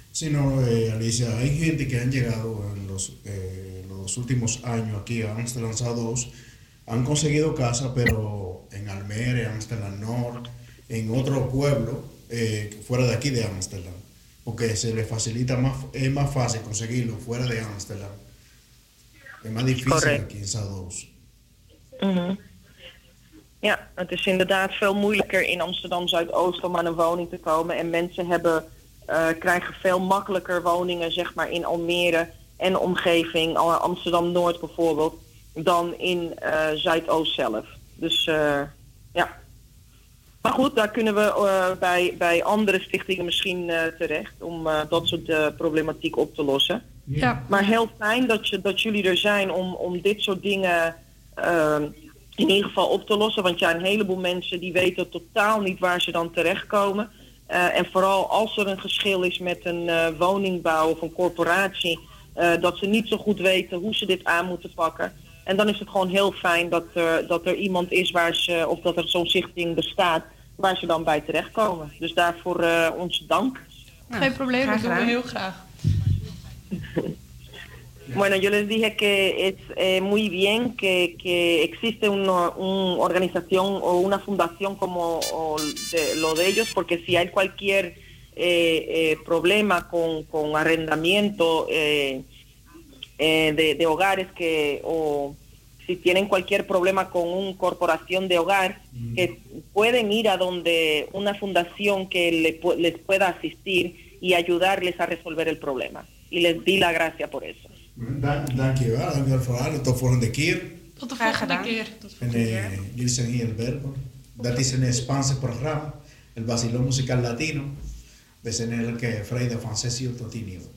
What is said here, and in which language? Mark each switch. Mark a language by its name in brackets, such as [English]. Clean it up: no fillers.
[Spanish] Sí, no, Alicia, hay gente que han llegado en los últimos años aquí a Ámsterdam Zuidoost, han conseguido casa, pero en Almere, Ámsterdam Noord, en otro pueblo fuera de aquí de Ámsterdam, porque se le facilita más, es más fácil conseguirlo fuera de Ámsterdam. Es más difícil. Correct. Aquí en Zuidoost. [Dutch] Ja, het is inderdaad veel moeilijker in Amsterdam Zuidoost om aan een woning te komen. En mensen krijgen veel makkelijker woningen, zeg maar, in Almere en omgeving, Amsterdam Noord bijvoorbeeld, dan in Zuidoost zelf. Dus ja. Maar goed, daar kunnen we bij andere stichtingen misschien terecht om dat soort problematiek op te lossen. Ja. Maar heel fijn dat jullie er zijn om dit soort dingen in ieder geval op te lossen, want ja, een heleboel mensen die weten totaal niet waar ze dan terechtkomen. En vooral als er een geschil is met een woningbouw of een corporatie, dat ze niet zo goed weten hoe ze dit aan moeten pakken. En dan is het gewoon heel fijn dat er iemand is waar ze, of dat er zo'n stichting bestaat, waar ze dan bij terechtkomen. Dus daarvoor onze dank. Ja, geen probleem, dat doen we heel graag. [Spanish] Bueno, yo les dije que es muy bien que existe una organización o una fundación como lo de ellos, porque si hay cualquier problema con arrendamiento de hogares, que o si tienen cualquier problema con una corporación de hogar, que pueden ir a donde una fundación que les pueda asistir y ayudarles a resolver el problema. Y les di la gracia por eso. [Dutch] Dankjewel, dankjewel voor haar. Tot de volgende keer. Tot de volgende keer. Jullie zijn hier in Berbo. Dat is een Spaanse programma. El Basilón Musical Latino. We zijn er ook vrij de Francesio Totinio.